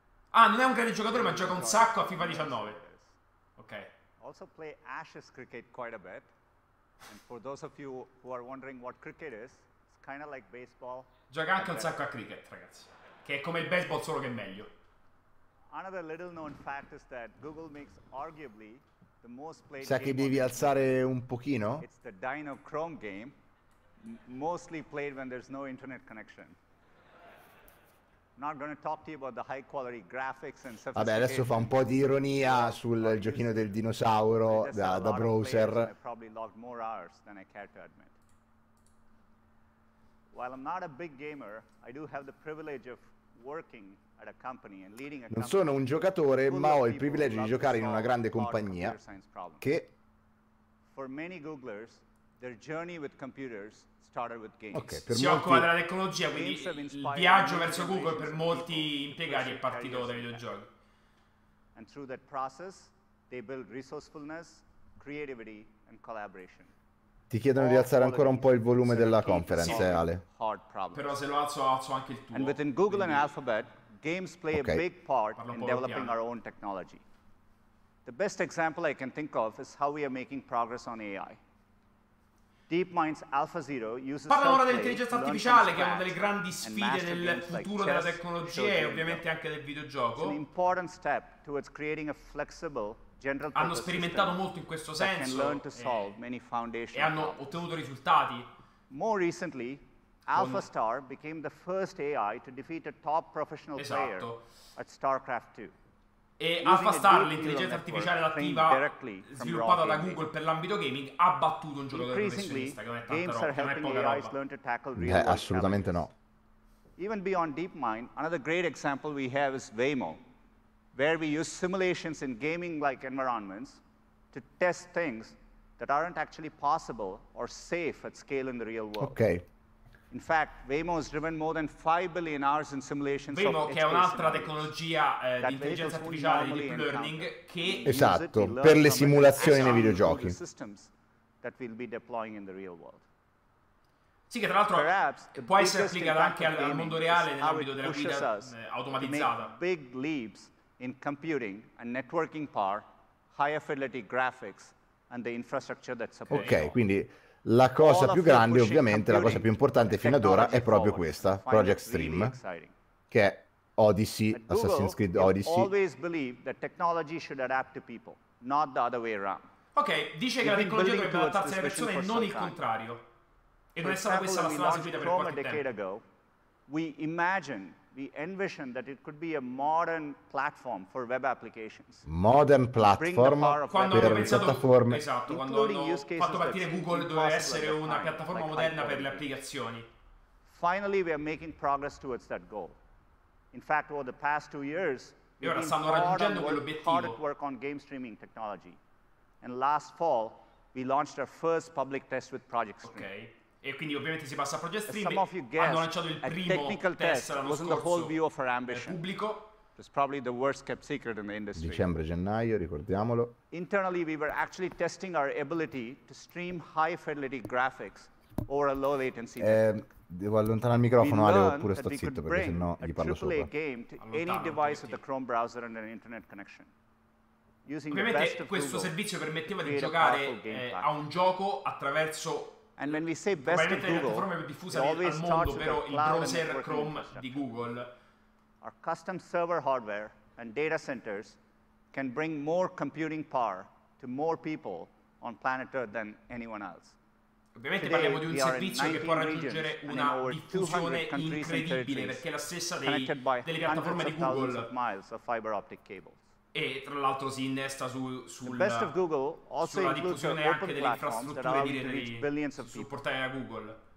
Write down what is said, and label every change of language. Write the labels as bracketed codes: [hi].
[it] Ah, non è un grande giocatore, ma gioca un sacco a FIFA 19. Ok. [en] Also play Ashes cricket quite a bit. And for those of you who are wondering what cricket is, it's kind of like baseball. [it] Gioca anche un sacco a cricket, ragazzi, che è come il baseball solo che è meglio. [en] Another little known fact is that Google makes arguably the most played. [it] Sai che devi alzare un pochino? [en] It's the Dino Chrome game, mostly played when there's no internet connection. Not going to talk to you about the high quality graphics and stuff. [it] Vabbè, adesso fa un po' di ironia sul giochino del dinosauro da browser. [en] Probably logged more hours than I care to admit. While I'm not a big gamer, I do have the privilege of working at a company and leading a company. [it] Non sono un giocatore, ma ho il privilegio di giocare in una grande compagnia che [en] for many Googlers their journey with computers started with games. [it] Okay, per si molti occupa della tecnologia, quindi il viaggio verso Google per molti impiegati è partito dai videogiochi. [en] And through that process, they build resourcefulness, creativity, and collaboration. [it] Ti chiedono di alzare ancora un po' il volume della conference, Ale. Però se lo alzo anche il tuo. [en] And within Google and Alphabet, games play a big part in developing our own technology. The best example I can think of is how we are making progress on AI. DeepMind's AlphaZero uses [it] parla ora dell'intelligenza artificiale, che è una delle grandi sfide del futuro della tecnologia e ovviamente anche del videogioco. [en] An important step towards creating a flexible general. [it] Hanno sperimentato molto in questo senso e hanno ottenuto risultati. [en] More recently, AlphaStar became the first AI to defeat a top professional player at StarCraft 2. [it] E AlphaStar, l'intelligenza artificiale attiva sviluppata da Google per l'ambito gaming, ha battuto un giocatore professionista, che non è tanta roba, non è poca roba. Assolutamente no. [en] Even beyond DeepMind, another great example we have is Waymo, where we use simulations in gaming-like environments to test things that aren't actually possible or safe at scale in the real world. Okay. In fact, Waymo has driven more than 5 billion hours in simulations. [it] Waymo, che è un'altra tecnologia di intelligenza artificiale di deep learning, che esatto, per le simulazioni nei videogiochi. [en] That we'll be deploying in the real world. [it] Sì, che tra l'altro può essere applicata anche al mondo reale nell'ambito della guida automatizzata. [en] Big leaps in computing and networking power, high fidelity graphics and the infrastructure that supports. [it] Ok, quindi la cosa più grande, ovviamente, la cosa più importante fino ad ora è proprio questa, Project Stream, che è Odyssey, Assassin's Creed Odyssey. Ok, dice che la tecnologia dovrebbe adattarsi alle persone, non il contrario. E non è stata questa la strada seguita per qualche tempo. [en] We imagine, we envision that it could be a modern platform for web applications. Modern platform [it] per piattaforme. Esatto, quando hanno fatto partire Google doveva essere una piattaforma moderna per le applicazioni. [en] Finally, we are making progress towards that goal. In fact, over the past 2 years, [it] e ora stanno raggiungendo quell'obiettivo. [en] Hard at work on game streaming technology. And last fall, we launched our first public test with Project Stream. [it] Okay. E quindi ovviamente si passa a Project Stream. Hanno lanciato il primo test l'anno scorso per il pubblico. [en] It's probably the worst kept secret in the industry. [it] Dicembre, gennaio, ricordiamolo. [en] Internally we were actually testing our ability to stream high fidelity graphics over a low latency. [it] Devo allontanare il microfono, Ale, oppure sto zitto perché sennò gli parlo sopra. [en] Any device with the Chrome browser and an internet connection. [it] Ovviamente questo servizio permetteva di giocare a un gioco attraverso. [en] And when we say best of Google, [it] la piattaforma più diffusa al mondo, però il browser Chrome di Google. [en] Our custom server hardware and data centers can bring more computing power to more people on planet Earth than anyone else. [it] Ovviamente today, parliamo di un servizio che può raggiungere una diffusione incredibile, perché è la stessa delle piattaforme di Google. [en] Of miles of fiber optic cables. [it] E tra l'altro si innesta sulla diffusione anche delle infrastrutture di rete di supportare a Google.